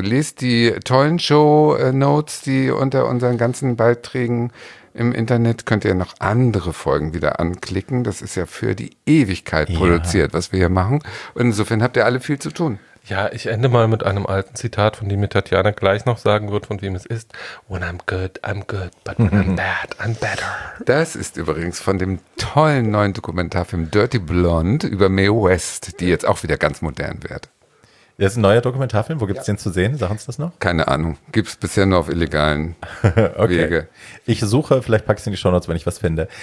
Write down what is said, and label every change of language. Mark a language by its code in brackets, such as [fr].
[de] Lest die tollen Show-Notes, die unter unseren ganzen Beiträgen im Internet könnt ihr noch andere Folgen wieder anklicken. Das ist ja für die Ewigkeit produziert, was wir hier machen. Und insofern habt ihr alle viel zu tun. Ja, ich ende mal mit einem alten Zitat, von dem mir Tatjana gleich noch sagen wird, von wem es ist. [en] When I'm good, but when I'm bad, I'm better. [de] Das ist übrigens von dem tollen neuen Dokumentarfilm Dirty Blonde über Mae West, die jetzt auch wieder ganz modern wird. Das ist ein neuer Dokumentarfilm. Wo gibt es den zu sehen? Sag uns das noch. Keine Ahnung. Gibt es bisher nur auf illegalen okay. Wege. Ich suche, vielleicht packe ich es in die Shownotes, wenn ich was finde.